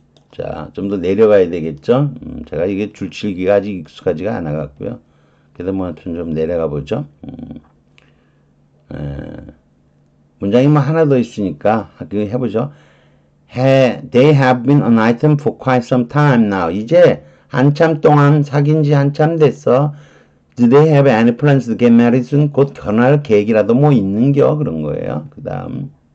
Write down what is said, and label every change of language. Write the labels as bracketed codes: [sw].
[ko] 자, 좀더 내려가야 되겠죠. 제가 이게 줄칠기가 아직 익숙하지가 않아 갖고요. 그래도 뭐 하여튼 좀 내려가 보죠. 문장이 뭐 하나 더 있으니까 그 해보죠. [en] They have been an item for quite some time now. [ko] 이제 한참 동안 사귄 지 한참 됐어. [en] Do they have any plans to get married soon? [ko] 곧 결혼할 계획이라도 뭐 있는겨? 그런 거예요. 그 다음.